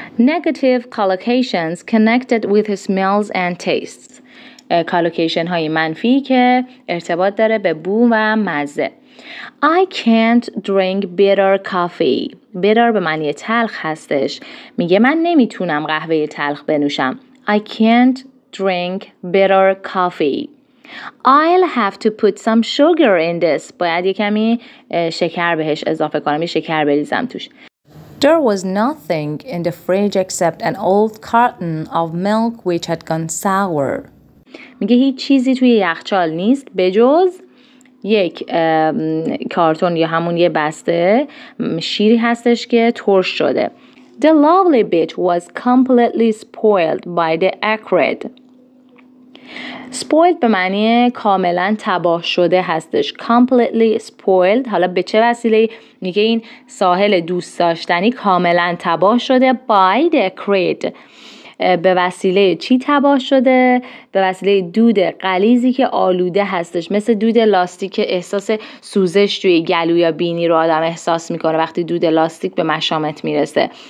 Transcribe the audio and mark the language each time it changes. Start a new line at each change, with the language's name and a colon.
English: Negative collocations connected with smells and tastes.
Persian: کالوکیشن های منفی که ارتباط داره به بو و مزه.
English: I can't drink bitter coffee. Bitter
Persian: به معنی تلخ هستش. میگه من نمیتونم قهوه تلخ بنوشم.
English: I can't drink bitter coffee. I'll have to put some sugar in this.
Persian: باید یه کمی شکر بهش اضافه کنم. یه شکر بریزم توش.
English: There was nothing in the fridge except an old carton of milk which had gone sour.
Persian: میگه هیچ چیزی توی یخچال نیست به جز یک کارتون یا همون یه بسته شیری هستش که ترش شده.
English: The lovely bit was completely spoiled by the acrid.
Persian: Spoiled به معنی کاملا تباه شده هستش.
English: Completely spoiled.
Persian: حالا به چه وسیله؟ میگه این ساحل دوست داشتنی کاملا تباه شده
English: by the acrid.
Persian: به وسیله چی تباه شده؟ به وسیله دود غلیظی که آلوده هستش، مثل دود لاستیک که احساس سوزش توی گلو یا بینی رو آدم احساس میکنه وقتی دود لاستیک به مشامت میرسه.